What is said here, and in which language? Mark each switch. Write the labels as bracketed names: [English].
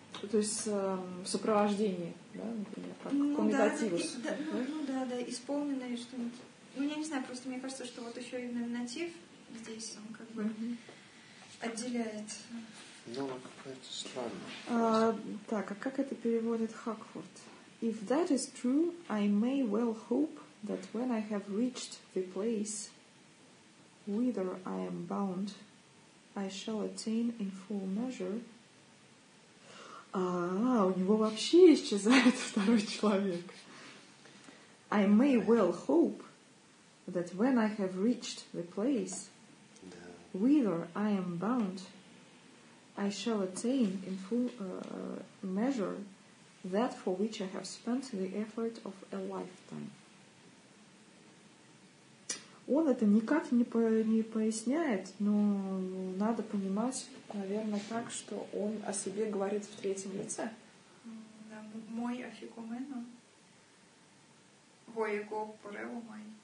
[Russian] То есть в сопровождении, да, например, как ну, да, да, исполненное что-нибудь. Ну, я не знаю, просто мне кажется, что вот еще и номинатив здесь, он как бы отделяет. Ну, это странно. Так, а как это переводит Хакфорд? [English] If that is true, I may well hope that when I have reached the place whither I am bound, I shall attain in full measure. [Russian] А, у него вообще исчезает второй человек. [English] I may well hope that when I have reached the place whither I am bound, I shall attain in full measure that for which I have spent the effort of a lifetime. [Russian] Он это никак не поясняет, но надо понимать, наверное, так, что он о себе говорит в третьем лице. Да, мой офигумен, он воего порево май.